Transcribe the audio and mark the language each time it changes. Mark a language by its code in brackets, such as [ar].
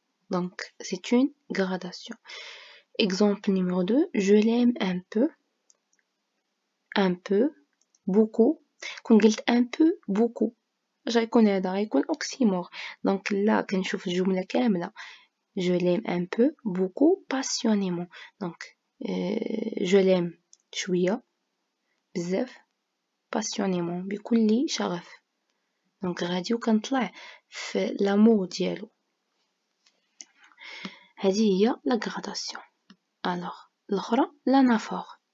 [ar] دونك سي اون غراداسيون. اكزومبل نيميرو 2 جو ليم ان بو [fr] un peu beaucoup. [ar] كون قلت [fr] un peu beaucoup [ar] غيكون هذا غيكون اوكسيمور. دونك لا كنشوف الجمله كامله. [fr] je l'aime un peu beaucoup passionnément. [ar] دونك [fr] je l'aime [ar] شويه بزاف passionnément بكل شغف. دونك غادي وكنطلع في لامور ديالو. هذه هي لا غراداسيون. الوغ الاخرى لانافور.